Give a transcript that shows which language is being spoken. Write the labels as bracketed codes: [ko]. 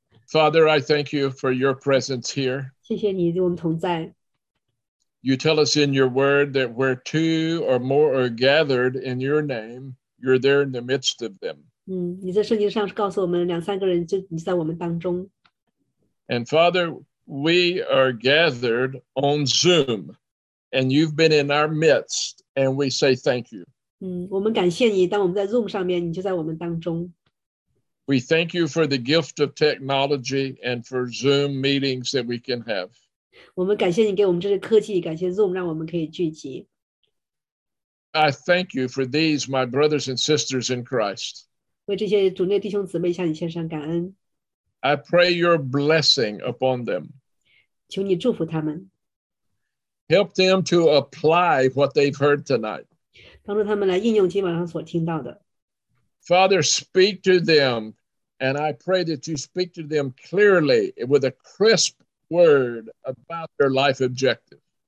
[en] Father, I thank you for your presence here. [zh] 谢谢你与我们同在。 [en] You tell us in your word that where two or more are gathered in your name, you're there in the midst of them. [zh] 你在圣经上告诉我们，两三个人就你在我们当中。 [en] And Father, we are gathered on Zoom, and you've been in our midst, and we say thank you. [zh] 我们感谢你，当我们在Zoom上面，你就在我们当中。 [en] We thank you for the gift of technology and for Zoom meetings that we can have. [zh] 我们感谢你给我们这些科技，感谢Zoom让我们可以聚集。 [en] I thank you for these, my brothers and sisters in Christ. [zh] 为这些主内弟兄姊妹向你献上感恩。 [en] I pray your blessing upon them. [zh] 求你祝福他们。 [en] Help them to apply what they've heard tonight. [zh] 帮助他们来应用今晚上所听到的。 [en] Father, speak to them, and I pray that you speak to them clearly with a crisp word about their life objective.